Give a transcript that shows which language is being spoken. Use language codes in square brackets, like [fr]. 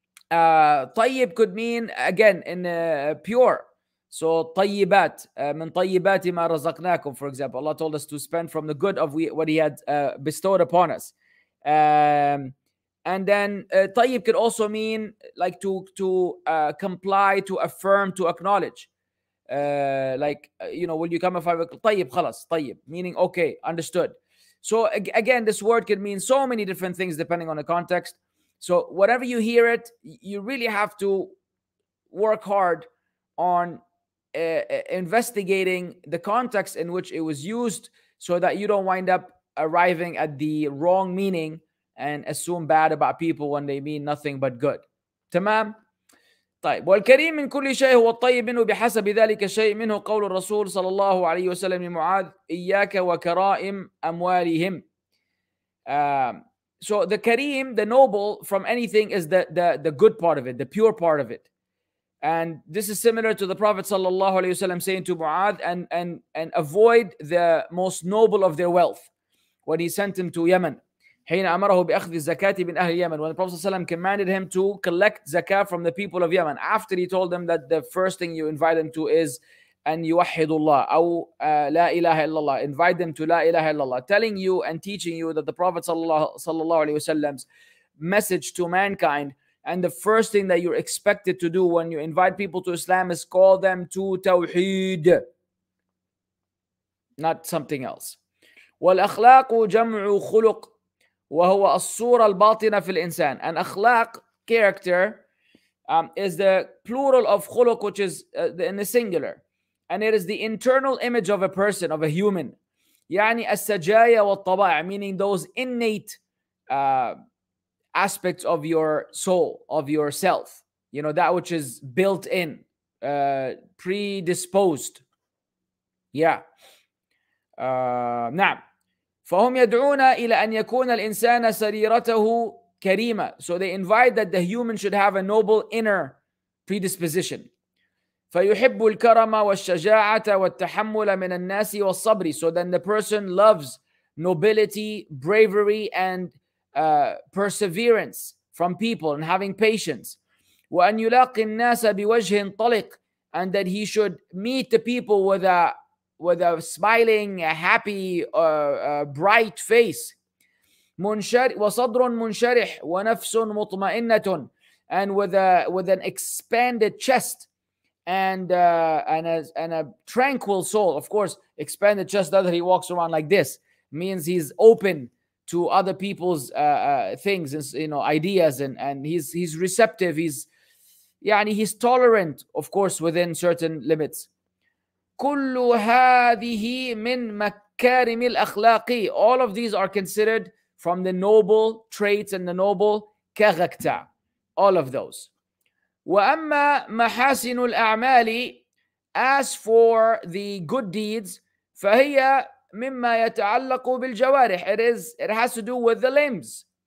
[en] طيب could mean, again, in pure. [ar] So, طيبات, من طيبات ما رزقناكم, [en] for example. Allah told us to spend from the good of what He had bestowed upon us. And then, طيب could also mean, like, to comply, to affirm, to acknowledge. Like, you know, will you come if I will? [ar] طيب خلاص, طيب, [en] meaning okay, understood. So again, this word can mean so many different things depending on the context. So whatever you hear it, you really have to work hard on investigating the context in which it was used so that you don't wind up arriving at the wrong meaning and assume bad about people when they mean nothing but good. [ar] Tamam? طيب والكريم من كل شيء هو الطيب منه بحسب ذلك شيء منه قول الرسول صلى الله عليه وسلم لمعاذ إياك وكرائم أموالهم. [en] So the كريم, the noble from anything is the good part of it, the pure part of it. And this is similar to the Prophet صلى الله عليه وسلم saying to معاذ and avoid the most noble of their wealth when he sent him to Yemen. [ar] حين أمره بأخذ الزكاة من أهل اليمن. [en] When the Prophet ﷺ commanded him to collect zakah from the people of Yemen, after he told them that the first thing you invite them to is [ar] أن يوحدوا الله أو لا إله إلا الله. [en] Invite them to [ar] لا إله إلا الله. [en] Telling you and teaching you that the Prophet صلى الله عليه وسلم's message to mankind and the first thing that you're expected to do when you invite people to Islam is call them to توحيد. Not something else. [ar] والأخلاق جمع خلق وهو الصورة الباطنة في الإنسان. [en] And أخلاق, character, is the plural of خلق, which is in the singular. And it is the internal image of a person, of a human. [ar] يعني السجايا والطبائع, [en] meaning those innate aspects of your soul, of yourself. You know, that which is built in. predisposed. Yeah. نعم. [ar] فهم يدعون إلى أن يكون الإنسان سريرته كريمة. [en] So they invite that the human should have a noble inner predisposition. [ar] فيحب الكرم والشجاعة والتحمل من الناس والصبر. [en] So then the person loves nobility, bravery, and perseverance from people and having patience. [ar] وأن يلاقي الناس بوجه طلق. [en] And that he should meet the people with a smiling, a happy, bright face. [ar] وصدر منشرح ونفس مطمئنة. [en] And with an expanded chest and a tranquil soul. Of course, expanded chest, that he walks around like this, means he's open to other people's things, you know, ideas, and he's receptive. He's tolerant, of course, within certain limits. [ar] كل هذه من مكارم الأخلاق. [en] All of these are considered from the noble traits and the noble character. All of those. [ar] وأما محاسن الأعمال, [en] as for the good deeds, [ar] فهي مما يتعلق بالجوارح. [en] It has to do with the limbs.